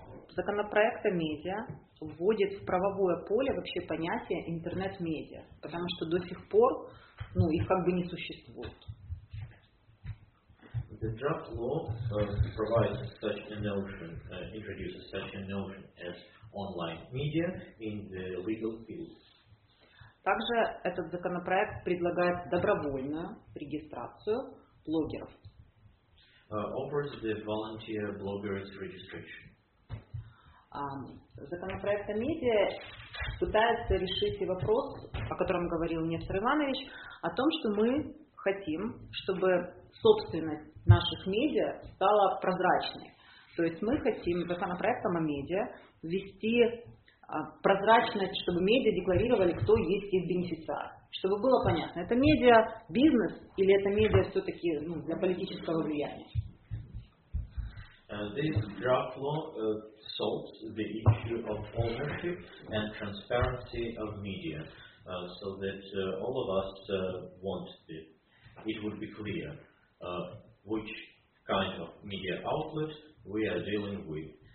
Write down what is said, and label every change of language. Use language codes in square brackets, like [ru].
[ru] Законопроект о медиа вводит в правовое поле вообще понятие интернет-медиа, потому что до сих пор их как бы не существует. [en] The draft law provides such a notion, introduces such a notion as online media in the legal field. [ru] Также этот законопроект предлагает добровольную регистрацию блогеров. [en] Offers the volunteer bloggers registration. [ru] Законопроект о медиа пытается решить вопрос, о котором говорил Нестор Иванович, о том, что мы хотим, чтобы собственность наших медиа стала прозрачной. То есть мы хотим законопроектом о медиа ввести прозрачность, чтобы медиа декларировали, кто есть их бенефициар. Чтобы было понятно, это медиа бизнес или это медиа все-таки для политического влияния. [en] This draft law solves the issue of ownership and transparency of media, so that all of us want it would be clear which kind of media outlet we are dealing with.